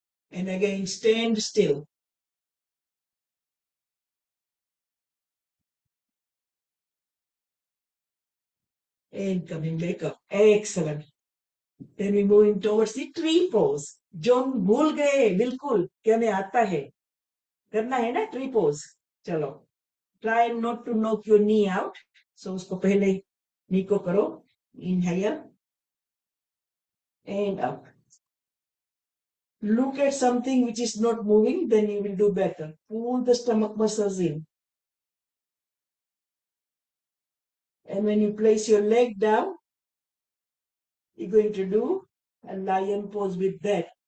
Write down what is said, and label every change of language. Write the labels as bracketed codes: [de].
[en] And again, stand still. And coming back up. Excellent. Then we move towards the tree pose. [hi] जो हम भूल गए बिल्कुल, कि हमें आता है करना है ना tree pose. चलो [en] try not to knock your knee out. [hi] So उसको पहले knee को करो. [en] Inhale and up. Look at something which is not moving, then you will do better. Pull the stomach muscles in. And when you place your leg down, you're going to do a lion pose with that.